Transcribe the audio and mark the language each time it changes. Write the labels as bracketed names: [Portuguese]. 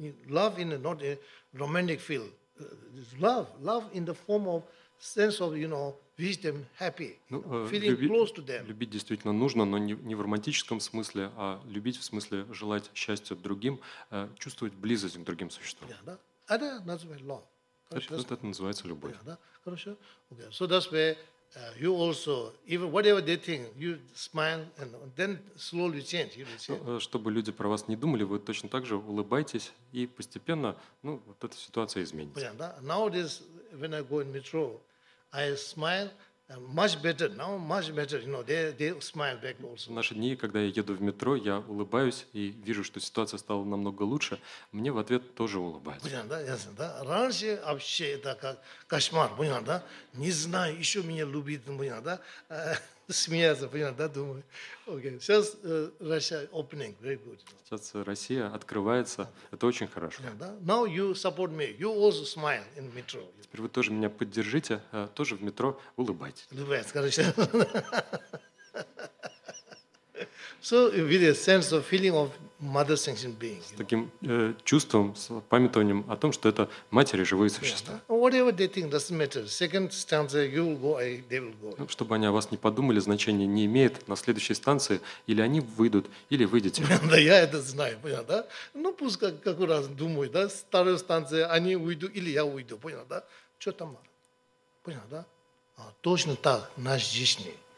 [English] Love in not a romantic feel. It's love. Love in the form of sense of, you know, wish them happy, you know, feeling close to them. [Russian] Любить действительно нужно, но не в романтическом смысле, а любить в смысле желать счастья другим, чувствовать близость к другим существам. Yeah, да? Это называется love. Это называется любовь. Yeah, да? Хорошо. [English] Okay. So that's where you also, even whatever they think, you smile and then slowly change. You change. [Russian] Чтобы люди про вас не думали, вы точно так же улыбайтесь и постепенно, ну, вот эта ситуация изменится. [English] Yeah, да? Nowadays, when I go in metro, I smile much better now, much better. You know, they smile back also. [Russian] В наши дни, когда я еду в метро, я улыбаюсь и вижу, что ситуация стала намного лучше. Мне в ответ тоже улыбаются. Понятно, да? Ясно, да? Раньше вообще это как кошмар, понятно, да? Не знаю, еще меня любит, понятно, да? Смеяться, понятно, да? Думаю. [English] Okay. [Russian] Сейчас Россия [English] opening, very good. [Russian] Сейчас Россия открывается, это очень хорошо. Понятно, да? [English] Now you support me, you also smile in metro. [Russian] Теперь вы тоже меня поддержите, тоже в метро улыбайтесь. Улыбайтесь, короче. [English] So with a sense of feeling of mother sentient being. [Russian] С таким чувством, с памятованием о том, что это матери живые существа. [English] Whatever they think doesn't matter. Second stanza you will go, they will go. [Russian] Чтобы они о вас не подумали, значения не имеет. На следующей станции или они выйдут, или выйдете. Да я это знаю, понял, да? Ну пусть как раз думают, да? Старая станция, они уйдут или я уйду, понял, да? Что там? Понял, да? Точно так наш жизни.